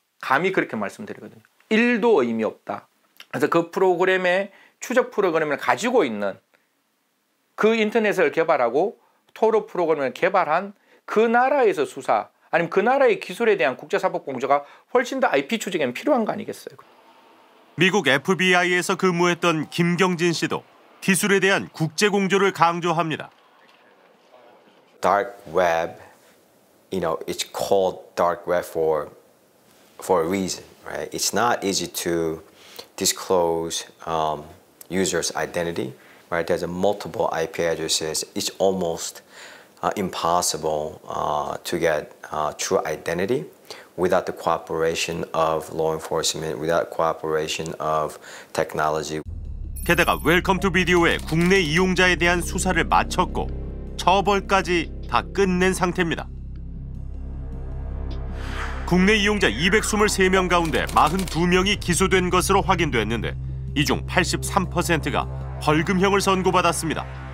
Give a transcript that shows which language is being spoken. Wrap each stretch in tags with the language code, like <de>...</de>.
<ko>감히 그렇게 말씀드리거든요. 1도 의미 없다. 그래서 그 프로그램의 추적 프로그램을 가지고 있는 그 인터넷을 개발하고 토르 프로그램을 개발한 그 나라에서 수사 아니면 그 나라의 기술에 대한 국제사법 공조가 훨씬 더 IP 추적에는 필요한 거 아니겠어요. 미국 FBI에서 근무했던 김경진 씨도 기술에 대한 국제 공조를 강조합니다.</ko> <en>Dark web, you know, it's called dark web for a reason, right? It's not easy to disclose users' identity. Right, there's a multiple IP addresses. It's almost impossible to get true identity without the cooperation of law enforcement, without cooperation of technology.</en> <ko>게다가 웰컴 투 비디오의 국내 이용자에 대한 수사를 마쳤고 처벌까지 다 끝낸 상태입니다. 국내 이용자 223명 가운데 42명이 기소된 것으로 확인됐는데 이 중 83%가 벌금형을 선고받았습니다.</ko>